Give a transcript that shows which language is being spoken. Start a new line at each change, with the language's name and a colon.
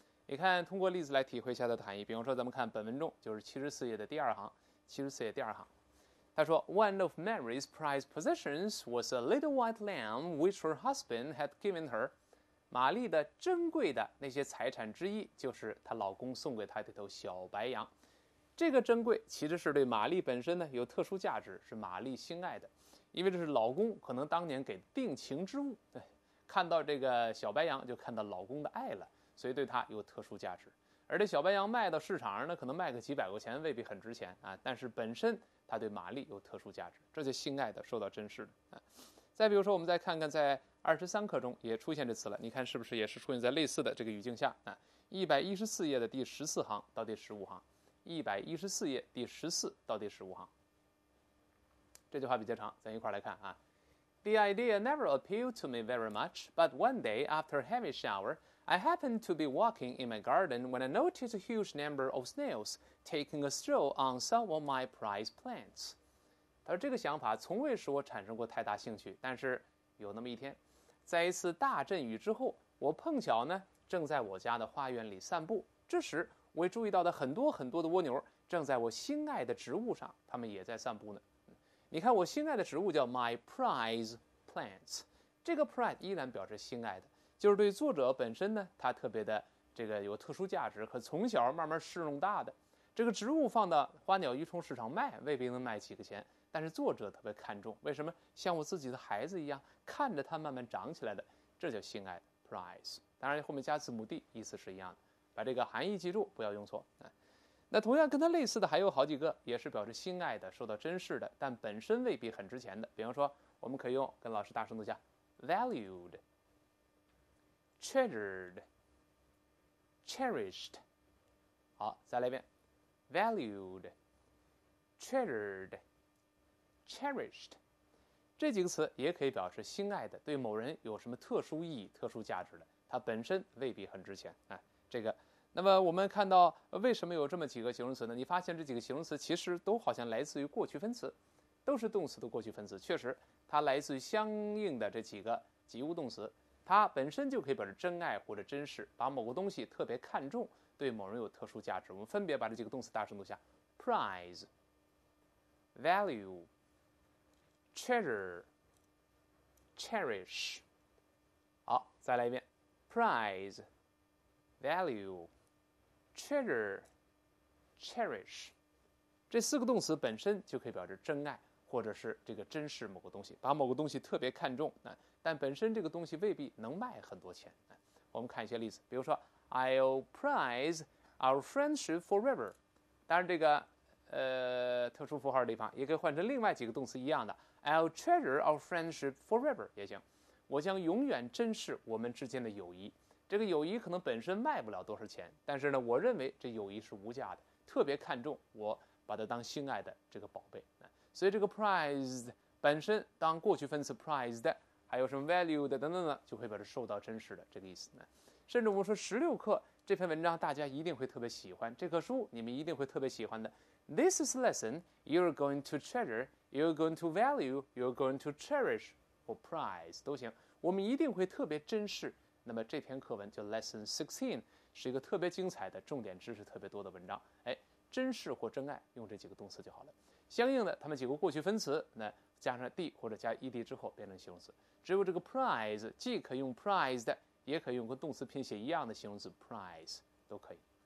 Chinese: 你看，通过例子来体会一下的含义。比方说，咱们看本文中，就是74页的第二行，他说 ，
English: One of Mary's prized possessions was a little white lamb which her husband had given her。
Chinese: 玛丽的珍贵的那些财产之一，就是她老公送给她的头小白羊。这个珍贵其实是对玛丽本身呢有特殊价值，是玛丽心爱的，因为这是老公可能当年给定情之物。对，看到这个小白羊，就看到老公的爱了。所以对它有特殊价值，而这小白羊卖到市场上呢，可能卖个几百块钱，未必很值钱啊。但是本身它对玛丽有特殊价值，这就心爱的，受到珍视的啊。再比如说，我们再看看在23课中也出现这词了，你看是不是也是出现在类似的这个语境下啊？ 114页的第14行到第15行，114页第14到第15行，这句话比较长，咱一块来看啊。
English: The idea never appealed to me very much, but one day after a heavy shower. I happened to be walking in my garden when I noticed a huge number of snails taking a stroll on some of my prized plants.
Chinese: 他说这个想法从未使我产生过太大兴趣，但是有那么一天，在一次大阵雨之后，我碰巧呢正在我家的花园里散步，这时我也注意到的很多很多的蜗牛正在我心爱的植物上，它们也在散步呢。你看我心爱的植物叫
English: my prized plants，
Chinese: 这个 prize 依然表示心爱的，就是对作者本身呢，他特别的这个有特殊价值，可从小慢慢侍弄大的这个植物放到花鸟鱼虫市场卖，未必能卖几个钱，但是作者特别看重，为什么？像我自己的孩子一样，看着它慢慢长起来的，这叫心爱 prize。当然后面加字母 d， 意思是一样的，把这个含义记住，不要用错。那同样跟它类似的还有好几个，也是表示心爱的，受到珍视的，但本身未必很值钱的。比方说我们可以用，跟老师大声读一下，
English: valuedTreasured, cherished.
Chinese: 好，再来一遍 ，
English: valued, treasured, cherished.
Chinese: 这几个词也可以表示心爱的，对某人有什么特殊意义、特殊价值的，它本身未必很值钱。哎，这个。那么我们看到为什么有这么几个形容词呢？你发现这几个形容词其实都好像来自于过去分词，都是动词的过去分词。确实，它来自于相应的这几个及物动词。它本身就可以表示真爱或者珍视，把某个东西特别看重，对某人有特殊价值。我们分别把这几个动词大声读下 ：
English: prize、value、treasure、cherish。
Chinese: 好，再来一遍 ：
English: prize、value、treasure、cherish。
Chinese: 这四个动词本身就可以表示真爱。或者是这个珍视某个东西，把某个东西特别看重，但本身这个东西未必能卖很多钱。我们看一些例子，比如说
English: I'll prize our friendship forever.
Chinese: 当然这个特殊符号的地方也可以换成另外几个动词一样的。
English: I'll treasure our friendship forever
Chinese: 也行。我将永远珍视我们之间的友谊。这个友谊可能本身卖不了多少钱，但是呢，我认为这友谊是无价的，特别看重，我把它当心爱的这个宝贝。所以这个 prized 本身当过去分词 prized 的，还有什么 valued 等等的，就会把它受到珍视的这个意思呢。甚至我们说16课这篇文章大家一定会特别喜欢，这棵树你们一定会特别喜欢的。
English: This is lesson you're going to treasure, you're going to value, you're going to cherish or prize
Chinese: 都行，我们一定会特别珍视。那么这篇课文就 Lesson 16是一个特别精彩的重点知识特别多的文章，哎，珍视或珍爱用这几个动词就好了。相应的他们几个过去分词那加上 d 或者加 ed 之后变成形容词，只有这个 prize 既可以用 prized 也可以用跟动词拼写一样的形容词 prize 都可以。